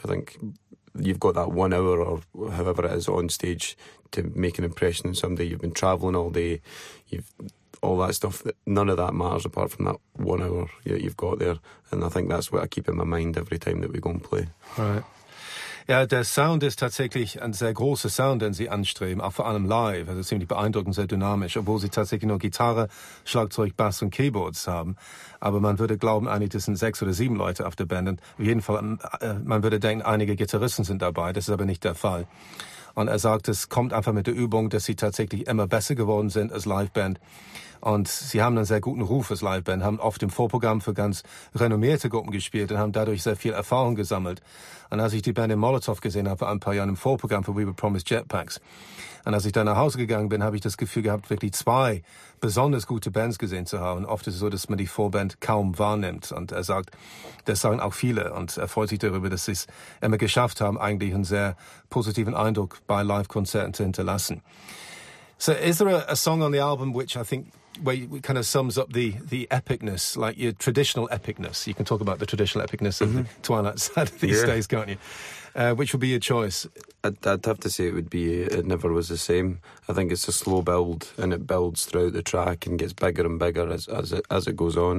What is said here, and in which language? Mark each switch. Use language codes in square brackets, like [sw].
[en] I think you've got that 1 hour or however it is on stage to make an impression on somebody. You've been travelling all day, you've all that stuff. None of that matters apart from that 1 hour that you've got there. And I think that's what I keep in my mind every time that we go and play. Right. [de] Yeah, der Sound ist tatsächlich ein sehr großer Sound, den Sie anstreben, auch vor allem live. Also ziemlich beeindruckend, sehr dynamisch, obwohl Sie tatsächlich nur Gitarre, Schlagzeug, Bass und Keyboards haben. Aber man würde glauben, eigentlich, das sind 6 oder 7 Leute auf der Band. Und auf jeden Fall, man würde denken, einige Gitarristen sind dabei. Das ist aber nicht der Fall. Und er sagt, es kommt einfach mit der Übung, dass sie tatsächlich immer besser geworden sind als Liveband. Und sie haben einen sehr guten Ruf als Liveband, haben oft im Vorprogramm für ganz renommierte Gruppen gespielt und haben dadurch sehr viel Erfahrung gesammelt. Und als ich die Band in Molotow gesehen habe, vor ein paar Jahren im Vorprogramm für We Were Promised Jetpacks, und als ich dann nach Hause gegangen bin, habe ich das Gefühl gehabt, wirklich 2 besonders gute Bands gesehen zu haben. Oft ist es so, dass man die Vorband kaum wahrnimmt. Und er sagt, das sagen auch viele. Und er freut sich darüber, dass sie es immer geschafft haben, eigentlich einen sehr positiven Eindruck bei Live-Konzerten zu hinterlassen. [en] So, is there a song on the album which I think kind of sums up the epicness, like your traditional epicness? You can talk about the traditional epicness of the Twilight Sad these days, can't you? Which would be your choice? I'd have to say it would be It Never Was the Same. I think it's a slow build, and it builds throughout the track and gets bigger and bigger as it goes on.